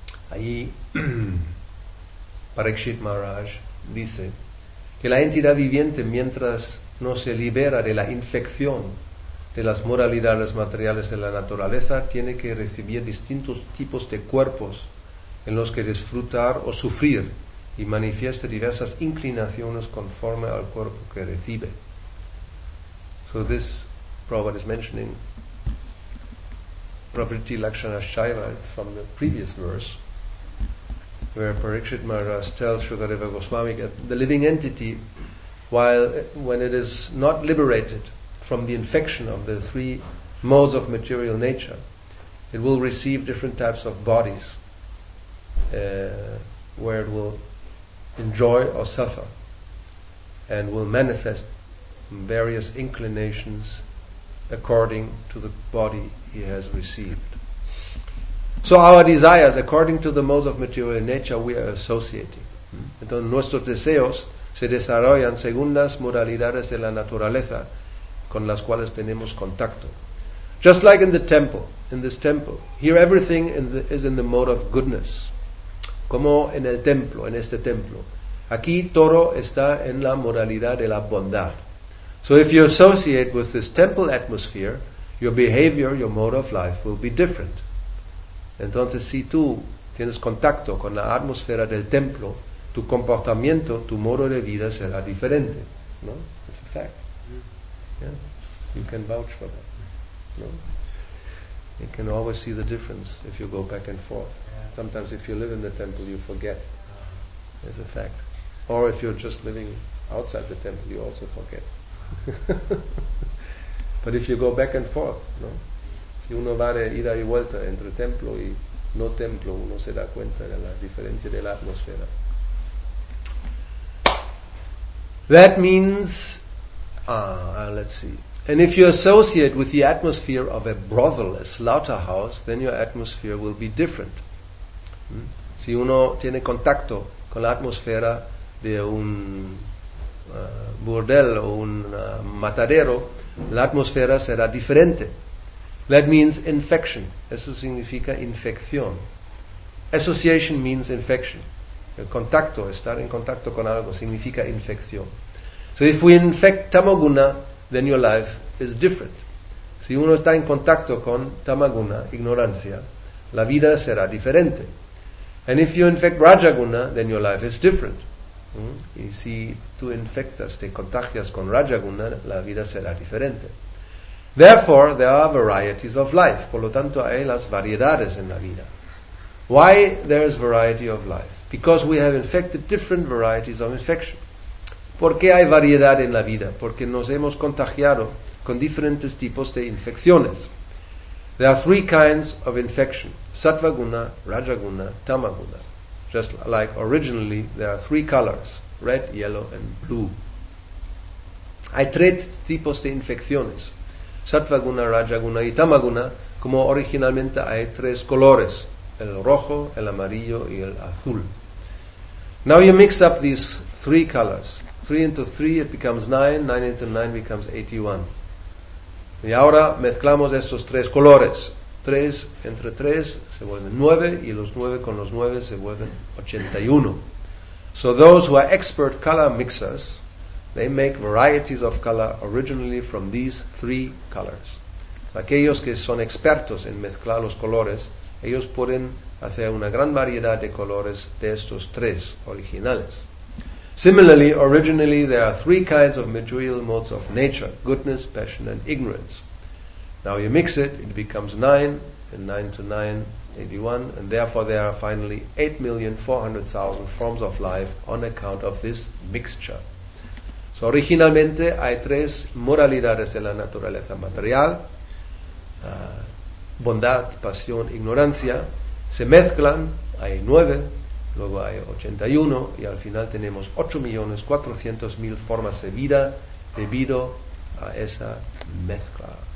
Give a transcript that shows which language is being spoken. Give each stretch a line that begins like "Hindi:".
Spanish: Ahí Parikshit Maharaj dice que la entidad viviente, mientras no se libera de la infección de las moralidades materiales de la naturaleza, tiene que recibir distintos tipos de cuerpos en los que disfrutar o sufrir, y manifieste diversas inclinaciones conforme al cuerpo que recibe.
English: So this Prabhupada is mentioning Pravritti Lakshanashchaiva from the previous verse, where Parikshit Maharaj tells Sukadeva Goswami that the living entity, when it is not liberated from the infection of the three modes of material nature, it will receive different types of bodies where it will enjoy or suffer, and will manifest various inclinations according to the body he has received. So our desires, according to the modes of material nature, we are associating.
Spanish: Entonces nuestros deseos se desarrollan según las modalidades de la naturaleza con las cuales tenemos contacto.
English: Just like in the temple, in this temple, here everything is in the mode of goodness.
Spanish: Como en el templo, en este templo. Aquí todo está en la modalidad de la bondad.
English: So if you associate with this temple atmosphere, your behavior, your mode of life will be different.
Spanish: Entonces, si tú tienes contacto con la atmósfera del templo, tu comportamiento, tu modo de vida será diferente.
English: No? It's a fact. Yeah, you can vouch for that. No? You can always see the difference if you go back and forth. Yeah. Sometimes if you live in the temple, you forget. It's a fact. Or if you're just living outside the temple, you also forget. But if you go back and forth, no?
Spanish: Si uno va de ida y vuelta entre templo y no templo, uno se da cuenta de la diferencia de la atmósfera.
English: That means... let's see. And if you associate with the atmosphere of a brothel, a slaughterhouse, then your atmosphere will be different.
Spanish: Si uno tiene contacto con la atmósfera de un burdel o un matadero, la atmósfera será diferente.
English: That means infection.
Spanish: Eso significa infección.
English: Association means infection.
Spanish: El contacto, estar en contacto con algo, significa infección.
English: So if we infect tamaguna, then your life is different.
Spanish: Si uno está en contacto con tamaguna, ignorancia, la vida será diferente.
English: And if you infect Rajaguna, then your life is different.
Spanish: Y si tú infectas, te contagias con Rajaguna, la vida será diferente.
English: Therefore, there are varieties of life.
Spanish: Por lo tanto, hay las variedades en la vida.
English: Why there is variety of life? Because we have infected different varieties of infection.
Spanish: ¿Por qué hay variedad en la vida? Porque nos hemos contagiado con diferentes tipos de infecciones.
English: There are three kinds of infection: sattvaguna, rajaguna, tamaguna. Just like originally, there are three colors: red, yellow, and blue.
Spanish: Hay tres tipos de infecciones: sattvaguna, rajaguna y tamaguna. Como originalmente hay tres colores: el rojo, el amarillo y el azul.
English: Now you mix up these three colors. 3 into 3, it becomes 9. 9 into 9 becomes 81.
Spanish: Y ahora mezclamos estos tres colores. 3 entre 3 se vuelven 9, y los 9 con los 9 se vuelven 81.
English: So those who are expert color mixers, they make varieties of color originally from these three colors.
Spanish: Aquellos que son expertos en mezclar los colores, ellos pueden hacer una gran variedad de colores de estos tres originales.
English: Similarly, originally there are three kinds of material modes of nature: goodness, passion, and ignorance. Now you mix it, it becomes 9, and 9 to 9, 81, and therefore there are finally 8,400,000 forms of life on account of this mixture.
Spanish: So originalmente hay tres modalidades de la naturaleza material: bondad, pasión, ignorancia. Se mezclan, hay 9, luego hay 81, y al final tenemos 8,400,000 formas de vida debido a esa mezcla.